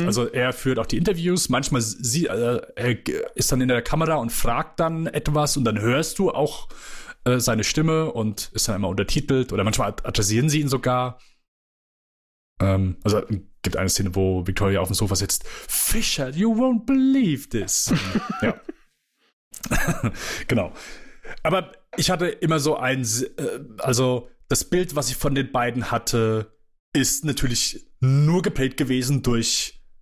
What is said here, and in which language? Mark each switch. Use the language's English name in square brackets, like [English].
[German] Mhm. Also er führt auch die Interviews. Manchmal er ist dann in der Kamera und fragt dann etwas und dann hörst du auch seine Stimme und ist dann immer untertitelt oder manchmal adressieren sie ihn sogar. Also gibt eine Szene, wo Victoria auf dem Sofa sitzt. [English] Fisher, you won't believe this. [German] Ja. Genau. Aber ich hatte immer so also das Bild, was ich von den beiden hatte, ist natürlich nur geprägt gewesen durch